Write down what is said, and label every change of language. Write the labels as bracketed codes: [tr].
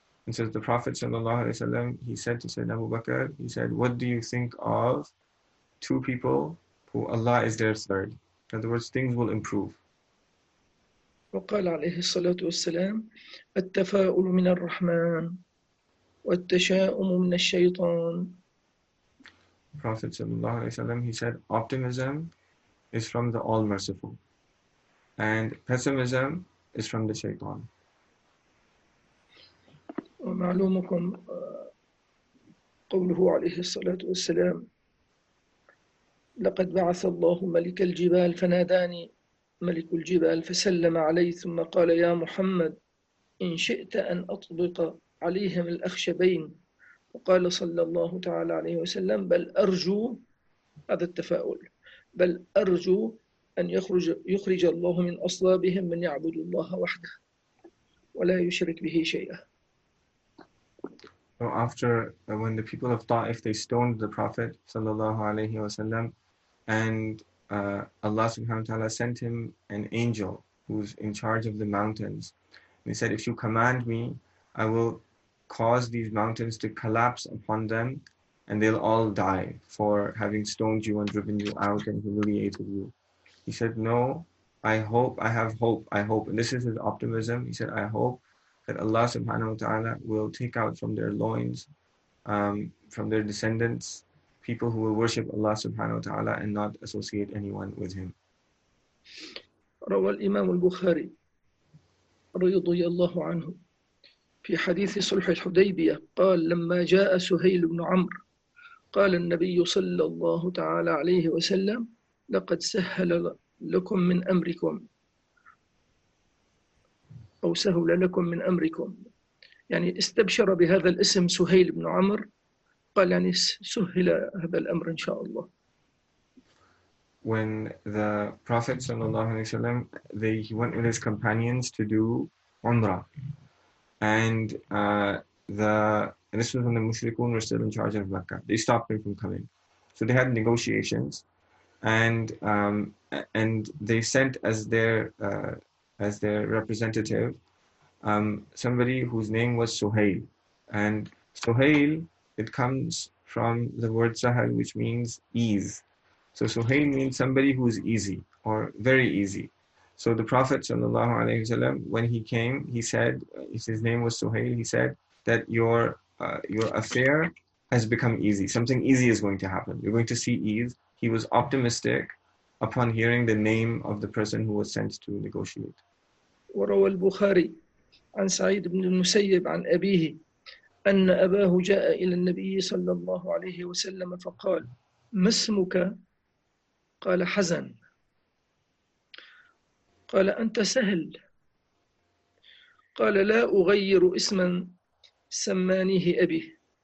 [en] And says the Prophet sallallahu alaihi wasallam, he said to Sayyidina Abu Bakr, he said, what do you think of two people who Allah is their third? In other words, things will improve. [ar] وقال عليه الصلاة والسلام التفاؤل من الرحمن والتشاؤم من الشيطان. [en] Prophet sallallahu alaihi wasallam, he said, optimism is from the All Merciful, and pessimism is from the Shaytan. [ar] ومعلومكم قوله عليه الصلاة والسلام لقد بعث الله ملك الجبال فناداني ملك الجبال فسلم علي ثم قال يا محمد إن شئت أن أطبق عليهم الأخشبين وقال صلى الله تعالى عليه وسلم بل أرجو هذا التفاؤل بل أرجو أن يخرج الله من أصلابهم من يعبد الله وحده ولا يشرك به شيئا. [en] So after, when the people of Ta'if, they stoned the Prophet sallallahu alayhi wa sallam, and Allah subhanahu wa ta'ala sent him an angel who's in charge of the mountains. And he said, if you command me, I will cause these mountains to collapse upon them and they'll all die for having stoned you and driven you out and humiliated you. He said, no, I hope, I have hope, I hope. And this is his optimism. He said, I hope that Allah subhanahu wa ta'ala will take out from their loins, from their descendants, people who will worship Allah subhanahu wa ta'ala and not associate anyone with him. [ar] روى الإمام البخاري رضي الله عنه في حديث صلح الحديبية قال لما جاء سهيل بن عمرو قال النبي صلى الله تعالى عليه وسلم لقد سهل لكم من أمركم أو سهل لكم من أمركم يعني استبشر بهذا الاسم سهيل بن عمرو قال يعني سهل هذا الأمر إن شاء الله. [en] When the Prophet صلى الله عليه وسلم he went with his companions to do Umrah, and this was when the Mushrikun were still in charge of Mecca. They stopped him from coming, so they had negotiations, and they sent as their representative, somebody whose name was Suhail. And Suhail, it comes from the word Sahal, which means ease. So Suhail means somebody who is easy or very easy. So the Prophet sallallahu alaihi wasallam, when he came, he said, his name was Suhail, he said that your affair has become easy. Something easy is going to happen. You're going to see ease. He was optimistic upon hearing the name of the person who was sent to negotiate. [ar] وروى البخاري عن سعيد بن المسيب عن أبيه أن أباه جاء إلى النبي صلى الله عليه وسلم فقال ما اسمك؟ قال حزن. قال أنت سهل. قال لا أغير اسما سمانيه أبي.